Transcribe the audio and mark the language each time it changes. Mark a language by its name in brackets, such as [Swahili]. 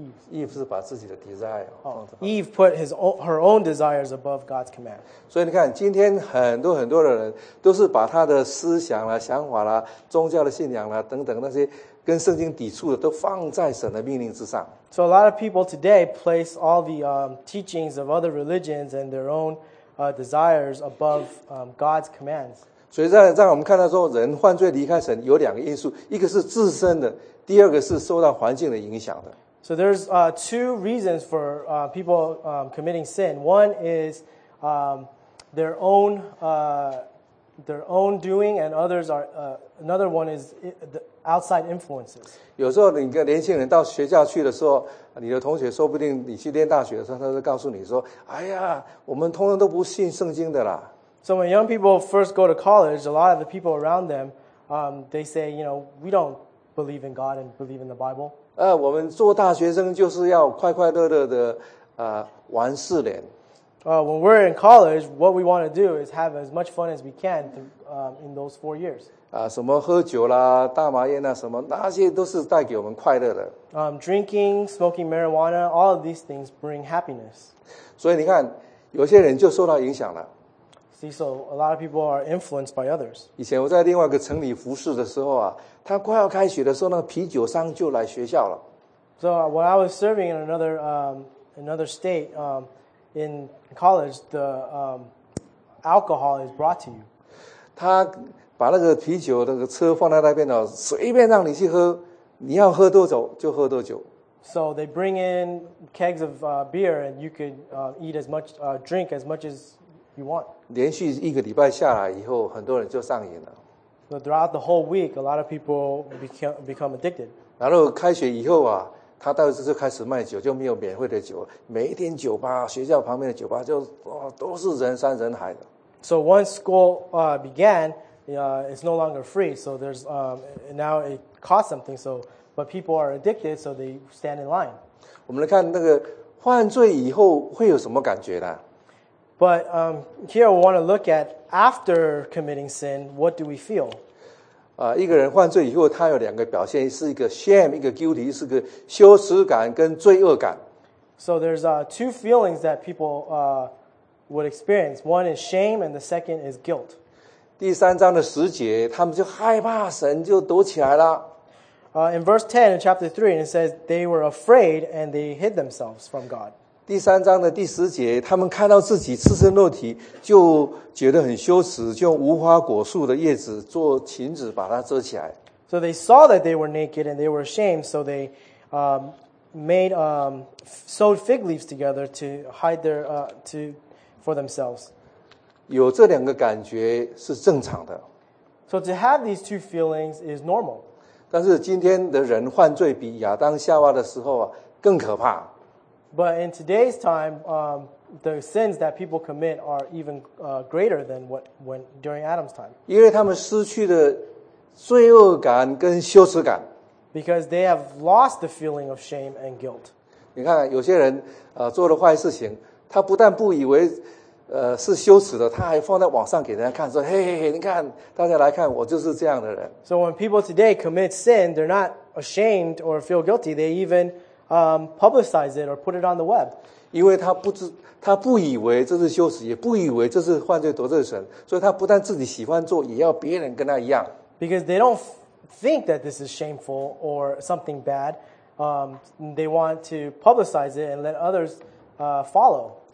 [Chinese] Eve 是把自己的 desire 放在。 [English] Eve put her own desires above God's command. [Chinese] 所以你看今天很多很多的人都是把他的思想啦想法啦宗教的信仰啦等等那些跟圣经抵触的都放在神的命令之上。 [English] So a lot of people today place all the teachings of other religions and their own desires above God's commands. [Chinese] 所以让我们看到说人犯罪离开神有两个因素，一个是自身的，第二个是受到环境的影响的。 [English] So there's two reasons for people committing sin. One is their own doing, and others are another one is the outside influences. [Chinese] 有时候你跟年轻人到学校去的时候，你的同学说不定你去念大学的时候，他就告诉你说：“哎呀，我们通常都不信圣经的啦。” [English] So when young people first go to college, a lot of the people around them, they say, you know, we don't believe in God and believe in the Bible. [Chinese] 我们做大学生就是要快快乐乐的玩四年。 [English] When we're in college, what we want to do is have as much fun as we can in those 4 years. [Chinese] 什么喝酒啦，大麻烟啦，什么那些都是带给我们快乐的。 [English] Drinking, smoking marijuana, all of these things bring happiness. [Chinese] 所以你看，有些人就受到影响了。 [English] See, so a lot of people are influenced by others. [Chinese] 以前我在另外一个城里服事的时候啊，他快要开学的时候，那个啤酒商就来学校了。 [English] So when I was serving in another state, in college, the alcohol is brought to you. [Chinese] 他把那个啤酒那个车放在那边了，随便让你去喝，你要喝多久就喝多久。 [English] So they bring in kegs of beer, and you could eat as much, drink as much as you want. [Chinese] 连续一个礼拜下来以后，很多人就上瘾了。 [English] So throughout the whole week, a lot of people become addicted. [Chinese] 然后开学以后啊。他到时就开始卖酒，就没有免费的酒。每一天酒吧，学校旁边的酒吧就都是人山人海的。 [English] So once school began, it's no longer free. So there's now it costs something. So but people are addicted, so they stand in line. [Chinese] 我们来看那个犯罪以后会有什么感觉呢 [English] ？But here we want to look at after committing sin, what do we feel? [Chinese] 一个人犯罪以后，他有两个表现，是一个 shame， 一个 guilty， 是个羞耻感跟罪恶感。 [English] So there's two feelings that people would experience. One is shame, and the second is guilt. [Chinese] 第三章的十节，他们就害怕神，就躲起来了。 [English] In verse 10 in chapter 3, it says they were afraid and they hid themselves from God. [Chinese] 第三章的第十节，他们看到自己赤身裸体，就觉得很羞耻，就用无花果树的叶子做裙子把它遮起来。 [English] So they saw that they were naked and they were ashamed, so they sewed fig leaves together to hide their for themselves. [Chinese] 有这两个感觉是正常的。 [English] So to have these two feelings is normal. [Chinese] 但是今天的人犯罪比亚当夏娃的时候啊更可怕。 [English] But in today's time, the sins that people commit are even greater than what went during Adam's time. [Chinese] 因为他们失去了罪恶感跟羞耻感。 [English] Because they have lost the feeling of shame and guilt. [Chinese] 你看有些人做了坏事情，他不但不以为是羞耻的，他还放在网上给人家看，说：“嘿嘿嘿，你看，大家来看，我就是这样的人。” [English] So when people today commit sin, they're not ashamed or feel guilty. They even publicize it or put it on the web. [Chinese] 因为他不以为这是羞耻，也不以为这是犯罪得罪神，所以他不但自己喜欢做，也要别人跟他一样。 [English] Because they don't think that this is shameful or something bad, they want to publicize it and let others follow.